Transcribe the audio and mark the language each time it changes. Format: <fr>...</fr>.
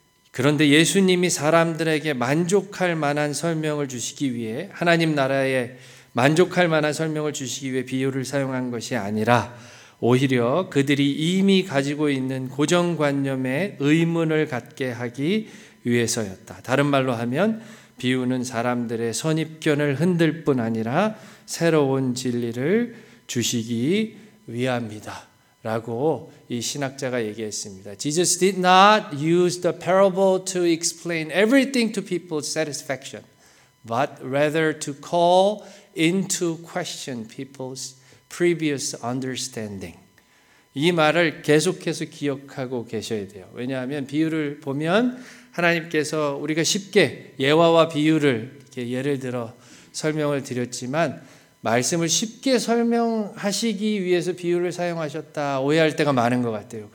<ko>그런데 예수님이 사람들에게 만족할 만한 설명을 주시기 위해, 하나님 나라에 만족할 만한 설명을 주시기 위해 비유를 사용한 것이 아니라 오히려 그들이 이미 가지고 있는 고정관념에 의문을 갖게 하기 위해서였다. 다른 말로 하면 비유는 사람들의 선입견을 흔들 뿐 아니라 새로운 진리를 주시기 위함이다 라고 이 신학자가 얘기했습니다.</ko> <en>Jesus did not use the parable to explain everything to people's satisfaction, but rather to call into question people's previous understanding.</en> <ko>이 말을 계속해서 기억하고 계셔야 돼요. 왜냐하면 비유를 보면 하나님께서 우리가 쉽게 예화와 비유를 이렇게 예를 들어 설명을 드렸지만 말씀을 쉽게 설명하시기 위해서 비유를 사용하셨다, 오해할 때가 많은 것 같아요.</ko>